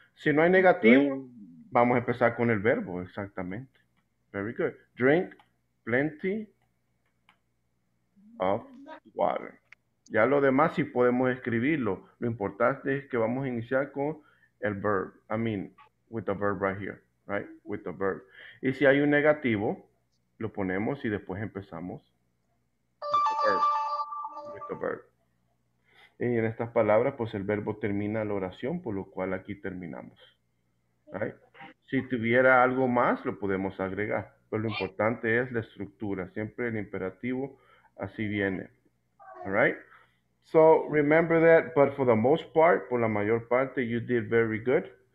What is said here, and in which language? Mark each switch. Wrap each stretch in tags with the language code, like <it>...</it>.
<es>Si no hay negativo, vamos a empezar con el verbo, exactamente.</es> <en>Very good. Drink plenty of water.</en> <es>Ya lo demás sí podemos escribirlo. Lo importante es que vamos a iniciar con el verb.</es> <en>I mean, with the verb right here, right? With the verb.</en> <es>Y si hay un negativo, lo ponemos y después empezamos.</es> <en>With the verb.</en> <es>Y en estas palabras, pues el verbo termina la oración, por lo cual aquí terminamos. Right? Si tuviera algo más, lo podemos agregar. Pero lo importante es la estructura. Siempre el imperativo así viene. All right?</es> <en>So remember that, but for the most part,</en> <es>por la mayor parte,</es> <en>you did very good.</en>